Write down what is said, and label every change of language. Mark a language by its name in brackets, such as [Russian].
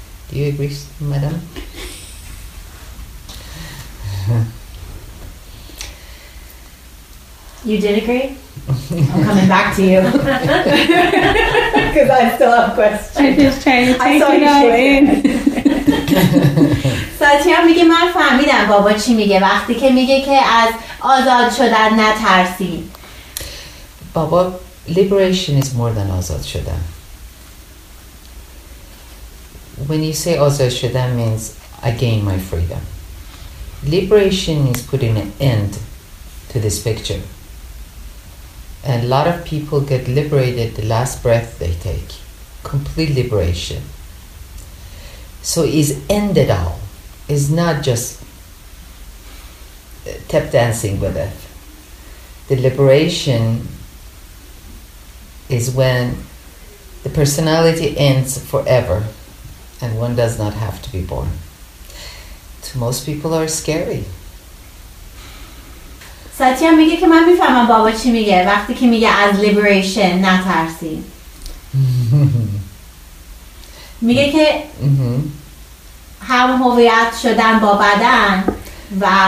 [English] you agree, madam? You did agree? I'm coming back to you. Because I still have questions. I'm just trying to take it all in. [Persian] ساتیان میگه من فهمیدم بابا چی میگه وقتی که میگه که از آزاد شدن نترسین. [English] بابا liberation is more than [Persian] آزاد شدن. [English] When you say [Persian] آزاد شدن [English] means I gain my freedom. Liberation is putting an end to this picture. And a lot of people get liberated the last breath they take. Complete liberation. So it's ended all. It's not just tap dancing with it. The liberation is when the personality ends forever and one does not have to be born. To most people are scary. [Persian] ساتیا میگه که من میفهمم بابا چی میگه وقتی که میگه از لیبریشن نترسی. میگه که هم هویت شدن با بدن و